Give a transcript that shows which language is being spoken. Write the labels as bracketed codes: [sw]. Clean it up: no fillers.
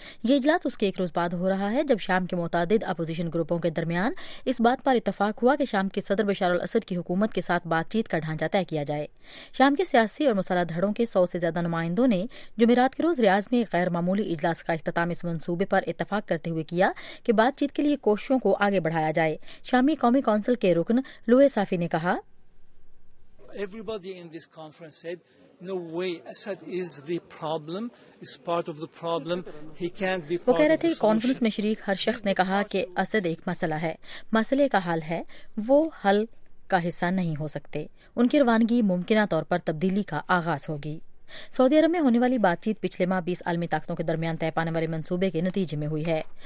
[ur] یہ اجلاس اس کے ایک روز بعد ہو رہا ہے جب شام کے متعدد اپوزیشن گروپوں کے درمیان اس بات پر اتفاق ہوا کہ شام کے صدر بشار الاسد کی حکومت کے ساتھ بات چیت کا ڈھانچہ طے کیا جائے. شام کے سیاسی اور مسلح دھڑوں کے 100 سے زیادہ نمائندوں نے جمعرات کے روز ریاض میں ایک غیر معمولی اجلاس کا اختتام اس منصوبے پر اتفاق کرتے ہوئے کیا کہ بات چیت کے لیے کوششوں کو آگے بڑھایا جائے. شامی قومی کونسل کے رکن لوئے صافی نے کہا، [en] Everybody in this conference said, no way, Assad is the problem, is part of the problem, he can't be part of the solution. [ur] وہ کہہ رہے تھے کانفرنس میں شریک ہر شخص نے کہا کہ اسد ایک مسئلہ ہے، مسئلے کا حل ہے، وہ حل کا حصہ نہیں ہو سکتے. ان کی روانگی ممکنہ طور پر تبدیلی کا آغاز ہوگی. سعودی عرب میں ہونے والی بات چیت پچھلے ماہ 20 عالمی طاقتوں کے درمیان طے پانے والے منصوبے کے نتیجے میں ہوئی ہے.